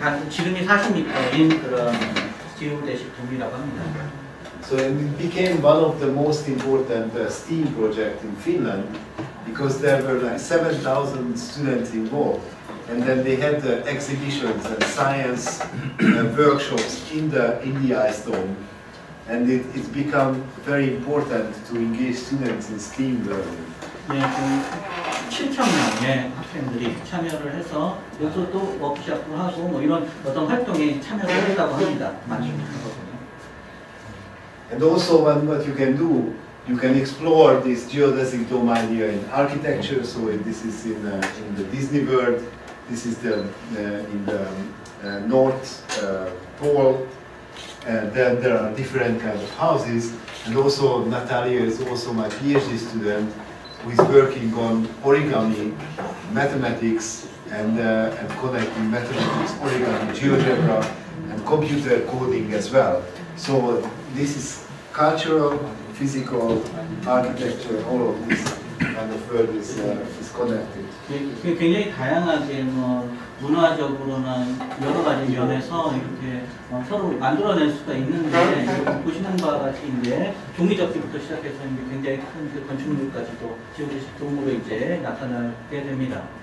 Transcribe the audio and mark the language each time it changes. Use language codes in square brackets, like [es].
[ko] 지름이 40m인 그런 지오데식 돔이라고 합니다. [en] So it became one of the most important STEAM project in Finland because there were like 7,000 students involved. And then they had the exhibitions and science workshops in the ice dome, and it became very important to engage students in STEAM learning. [ko] 예, 7,000명의 학생들이 참여를 해서 여기서 또 워크숍도 하고 뭐 이런 어떤 활동에 참여를 했다고 합니다. 많이 했거든요. [en] And also, what you can do, you can explore this geodesic dome idea in architecture. So this is in the Disney World. This is in the North Pole, and then there are different kinds of houses. And also Natalia is also my PhD student, who is working on origami, mathematics, and connecting mathematics, origami, GeoGebra, and computer coding as well. So this is cultural, physical, architecture, all of this kind of world is connected. [ko] 굉장히 다양하게 뭐 문화적으로나 여러 가지 면에서 이렇게 서로 만들어낼 수가 있는데 보시는 바와 같이 이제 종이 접기부터 시작해서 이제 굉장히 큰 건축물까지도 지오지식 동물로 이제 나타나게 됩니다.